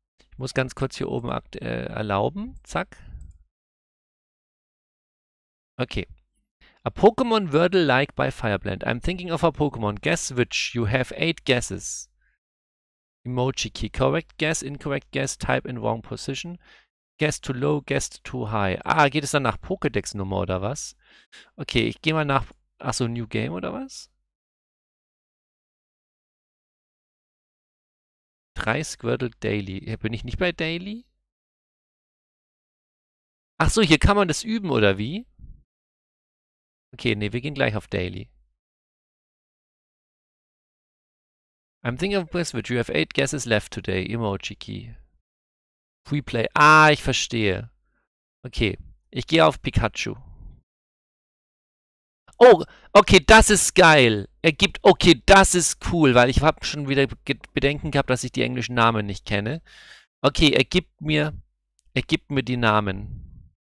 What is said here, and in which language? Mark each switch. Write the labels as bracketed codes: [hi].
[de] Ich muss ganz kurz hier oben erlauben. Zack. Okay. [en] A Pokémon Wordle like by Fireblend. I'm thinking of a Pokémon. Guess which? You have 8 guesses. Emoji Key. Correct guess, incorrect guess, type in wrong position. Guess too low, guess too high. [de] Ah, geht es dann nach Pokédex-Nummer oder was? Okay, ich gehe mal nach. Ach so, [en] New Game [de] oder was? Drei Squirtle Daily. Hier bin ich nicht bei Daily? Ach so, hier kann man das üben oder wie? Okay, nee, wir gehen gleich auf Daily. [en] I'm thinking of this, which you have 8 guesses left today. Emoji Key. Replay. [de] Ah, ich verstehe. Okay, ich gehe auf Pikachu. Oh, okay, das ist geil. Er gibt. Okay, das ist cool, weil ich habe schon wieder Bedenken gehabt, dass ich die englischen Namen nicht kenne. Okay, er gibt mir die Namen.